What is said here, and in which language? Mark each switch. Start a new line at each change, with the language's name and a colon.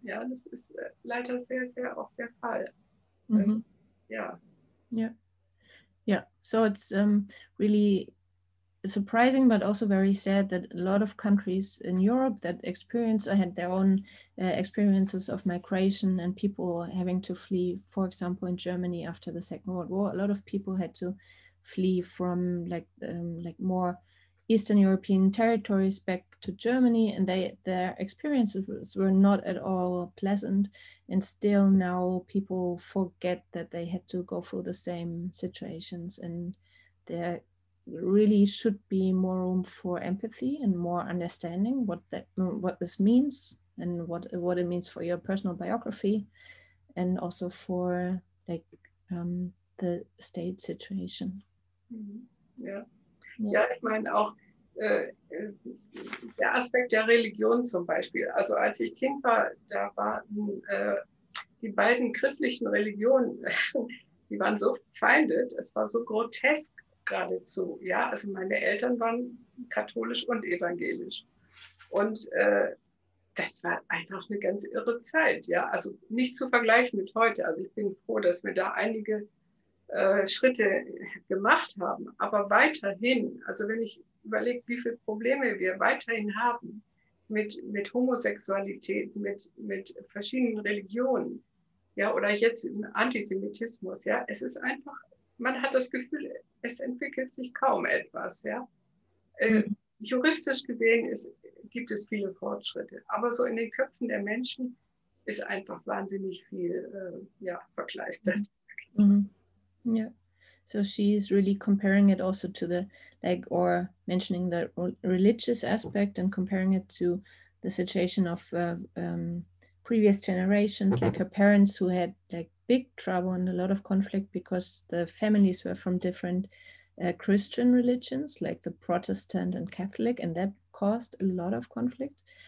German: Ja, das ist leider sehr, sehr oft der Fall. Mm-hmm. Also, ja. Ja.
English: Ja, so it's really surprising, but also very sad that a lot of countries in Europe that had their own experiences of migration and people having to flee, for example, in Germany after the Second World War, a lot of people had to flee from like more Eastern European territories back to Germany, and their experiences were not at all pleasant. And still now people forget that they had to go through the same situations, and there really should be more room for empathy and more understanding what this means and what it means for your personal biography, and also for the state situation. Mm-hmm. Yeah.
German: Ich meine auch der Aspekt der Religion zum Beispiel. Also als ich Kind war, da waren die beiden christlichen Religionen, die waren so verfeindet, es war so grotesk geradezu. Ja, also meine Eltern waren katholisch und evangelisch. Und das war einfach eine ganz irre Zeit. Ja, also nicht zu vergleichen mit heute. Also ich bin froh, dass wir da einige Schritte gemacht haben. Aber weiterhin, also wenn ich überlege, wie viele Probleme wir weiterhin haben mit Homosexualität, mit verschiedenen Religionen, ja, oder jetzt mit Antisemitismus, ja, es ist einfach, man hat das Gefühl, es entwickelt sich kaum etwas, ja. Juristisch gesehen gibt es viele Fortschritte, aber so in den Köpfen der Menschen ist einfach wahnsinnig viel verkleistert.
English: Mm-hmm. Yeah. So she's really comparing it also to the, like, or mentioning the religious aspect and comparing it to the situation of previous generations, like her parents, who had like big trouble and a lot of conflict because the families were from different Christian religions, like the Protestant and Catholic, and that caused a lot of conflict.